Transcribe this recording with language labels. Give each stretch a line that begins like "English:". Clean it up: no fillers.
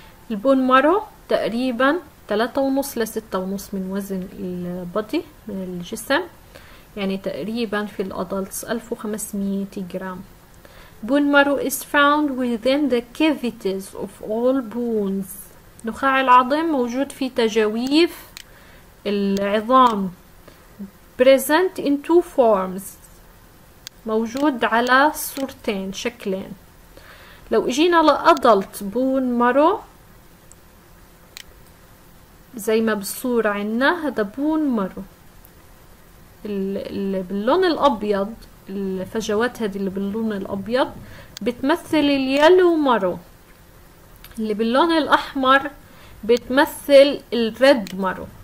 Arabic: البون مارو تقريبا 3.5 ل 6.5 من وزن البادي من الجسم، يعني تقريبا في الادلتس 1500 جرام.
English: Bone marrow is found within the cavities of all bones.
Arabic: نخاع العظم موجود في تجاويف العظام.
English: Present in two forms،
Arabic: موجود على صورتين شكلين. لو اجينا لأدلت بون مارو زي ما بالصورة عنا، هذا بون مارو اللي باللون الأبيض، الفجوات هذه اللي باللون الأبيض بتمثل اليلو مارو، اللي باللون الأحمر بتمثل الريد مارو.